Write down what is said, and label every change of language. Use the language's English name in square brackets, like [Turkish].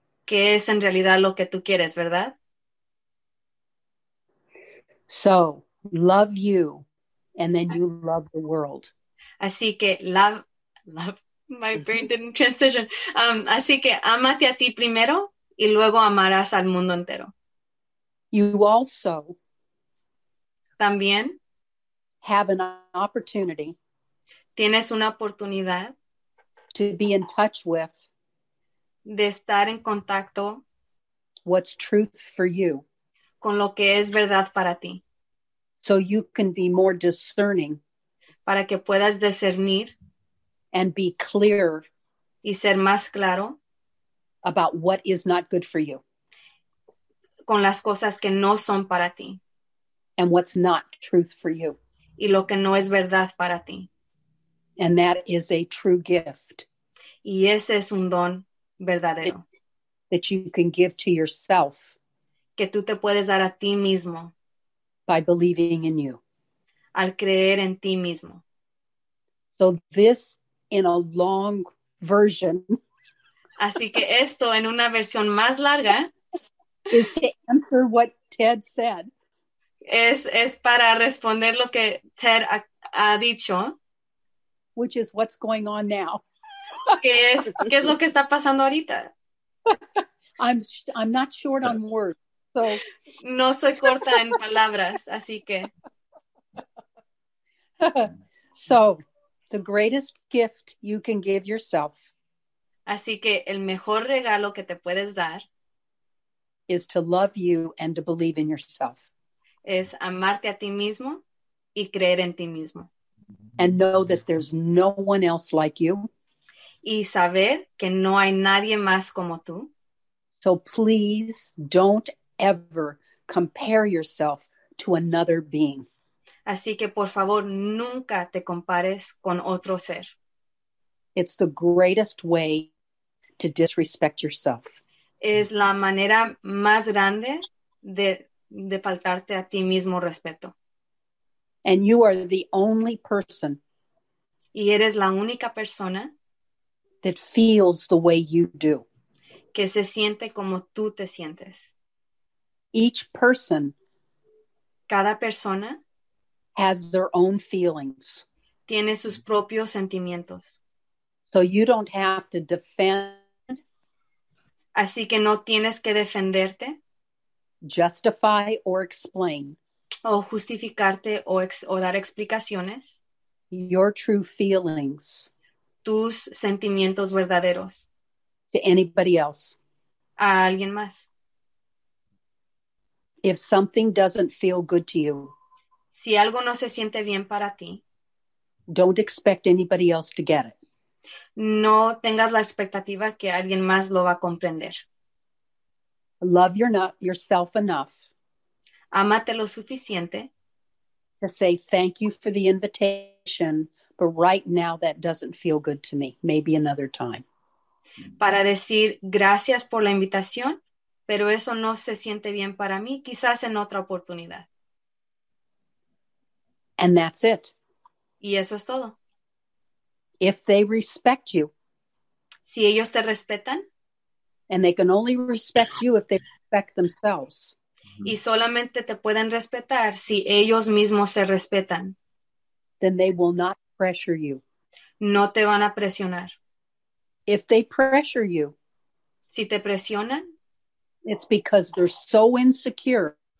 [Spanish] ¿Qué es en realidad lo que tú quieres, verdad? [English] So, love you, and then you love the world. [Spanish] Así que, [English] my brain didn't transition. [Spanish] Así que, ámate a ti primero, y luego amarás al mundo entero. [English] You also [Spanish] también [English] have an opportunity. [Spanish] Tienes una oportunidad [English] to be in touch with, [Spanish] de estar en contacto, [English] what's truth for you, [Spanish] con lo que es verdad para ti, [English] so you can be more discerning, [Spanish] para que puedas discernir, [English] and be clear, [Spanish] y ser más claro, [English] about what is not good for you, [Spanish] con las cosas que no son para ti, [English] and what's not truth for you, [Spanish] y lo que no es verdad para ti. [English] And that is a true gift. [Spanish] Y ese es un don verdadero. [English] That you can give to yourself. [Spanish] Que tú te puedes dar a ti mismo. [English] By believing in you. [Spanish] Al creer en ti mismo. [English] So this in a long version. [Spanish] Así que esto en una versión más larga. [English] Is to answer what Ted said. [Spanish] Es para responder lo que Ted ha dicho. [English] Which is what's going on now. [Spanish] ¿Qué es lo que está pasando ahorita? [English] I'm not short on words, so. [Spanish] No soy corta en palabras, así que. [English] So, the greatest gift you can give yourself. [Spanish] Así que el mejor regalo que te puedes dar. [English] Is to love you and to believe in yourself. [Spanish] Es amarte a ti mismo y creer en ti mismo. [English] And know that there's no one else like you. [Spanish] Y saber que no hay nadie más como tú. [English] So please don't ever compare yourself to another being. [Spanish] Así que por favor nunca te compares con otro ser. [English] It's the greatest way to disrespect yourself. [Spanish] Es la manera más grande de faltarte a ti mismo respeto. [English] And you are the only person. [Spanish] Y eres la única persona [English] that feels the way you do. [Spanish] que se siente como tú te sientes. [English] Each person, [Spanish] cada persona, [English] has their own feelings. [Spanish] Tiene sus propios sentimientos. [English] So you don't have to defend. [Spanish] Así que no tienes que defenderte. [English] Justify or explain. [Spanish] O justificarte o dar explicaciones. [English] Your true feelings. [Spanish] Tus sentimientos verdaderos. [English] To anybody else. [Spanish] A alguien más. [English] If something doesn't feel good to you. [Spanish] Si algo no se siente bien para ti. [English] Don't expect anybody else to get it. [Spanish] No tengas la expectativa que alguien más lo va a comprender. [English] Love yourself enough. [Spanish] Amate lo suficiente. [English] To say thank you for the invitation, but right now that doesn't feel good to me. Maybe another time. [Spanish] Para decir gracias por la invitación, pero eso no se siente bien para mí, quizás en otra oportunidad. [English] And that's it. [Spanish] Y eso es todo. [English] If they respect you. [Spanish] Si ellos te respetan. [English] And they can only respect you if they respect themselves. [Spanish] Y solamente te pueden respetar si ellos mismos se respetan. [English] Then they will not pressure you. [Spanish] No te van a presionar. [English] If they pressure you. [Spanish] Si te presionan. [English] It's because they're so insecure.